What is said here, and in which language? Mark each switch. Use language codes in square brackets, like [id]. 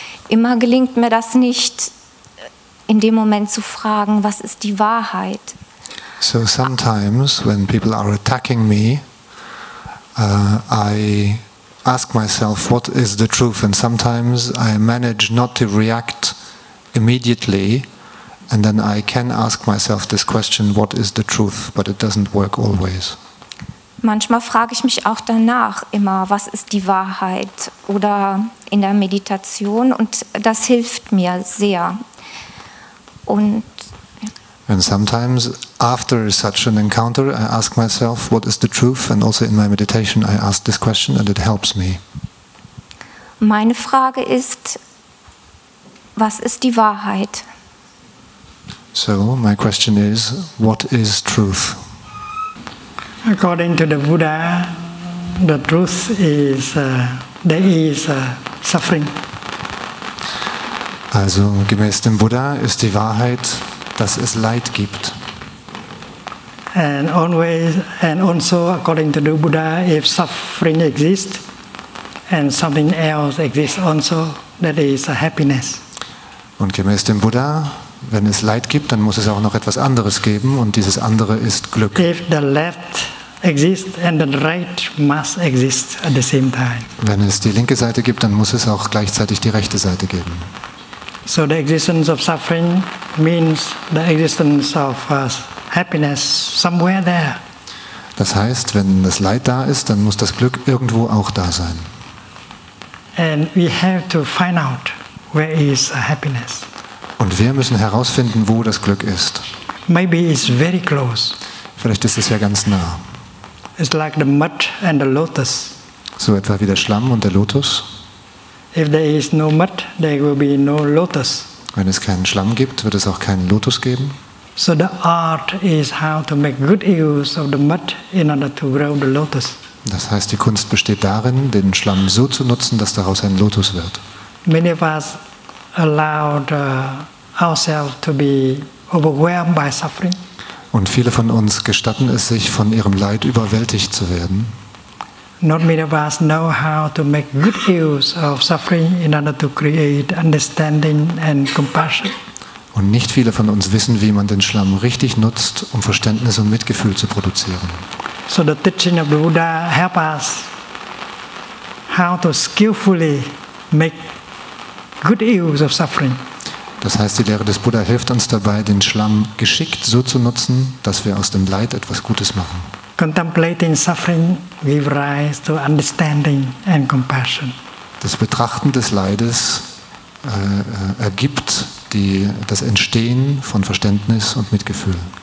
[de] Immer gelingt mir das nicht, in dem Moment zu fragen, was ist die Wahrheit? [en] So sometimes when people are attacking me, I ask myself, what is the truth? And sometimes I manage not to react immediately, and then I can ask myself this question, what is the truth? But it doesn't work always. [de] Manchmal frage ich mich auch danach immer, was ist die Wahrheit? Oder in der Meditation, und das hilft mir sehr. [en] And sometimes after such an encounter, I ask myself, what is the truth? And also in my meditation, I ask this question, and it helps me. [de] Meine Frage ist, was ist die Wahrheit? [en] So my question is, what is truth? According to the Buddha, the truth is there is suffering. [de] Also gemäß dem Buddha ist die Wahrheit, dass es Leid gibt. [en] And also according to the Buddha, if suffering exists and something else exists also, that is a happiness. [de] Und gemäß dem Buddha, wenn es Leid gibt, dann muss es auch noch etwas anderes geben, und dieses andere ist Glück. [en] If the left exist and the right must exist at the same time. [de] Wenn es die linke Seite gibt, dann muss es auch gleichzeitig die rechte Seite geben. [en] So the existence of suffering means the existence of happiness somewhere there. [de] Das heißt, wenn das Leid da ist, dann muss das Glück irgendwo auch da sein. [en] And we have to find out where is happiness. [de] Und wir müssen herausfinden, wo das Glück ist. [en] Maybe it's very close. [de] Vielleicht ist es ja ganz nah. [en] It's like the mud and the lotus. [de] So etwa wie der Schlamm und der Lotus. [en] If there is no mud, there will be no lotus. [de] Wenn es keinen Schlamm gibt, wird es auch keinen Lotus geben. [en] So the art is how to make good use of the mud in order to grow the lotus. [de] Das heißt, die Kunst besteht darin, den Schlamm so zu nutzen, dass daraus ein Lotus wird. [en] Many of us allowed ourselves to be overwhelmed by suffering. [de] Und viele von uns gestatten es sich, von ihrem Leid überwältigt zu werden. [en] Not many of us know how to make good use of suffering in order to create understanding and compassion. [de] Und nicht viele von uns wissen, wie man den Schlamm richtig nutzt, um Verständnis und Mitgefühl zu produzieren. [en] So the teaching of the Buddha help us how to skillfully make good use of suffering. [de] Das heißt, die Lehre des Buddha hilft uns dabei, den Schlamm geschickt so zu nutzen, dass wir aus dem Leid etwas Gutes machen. [en] Contemplating suffering gives rise to understanding and compassion. [de] Das Betrachten des Leides ergibt das Entstehen von Verständnis und Mitgefühl.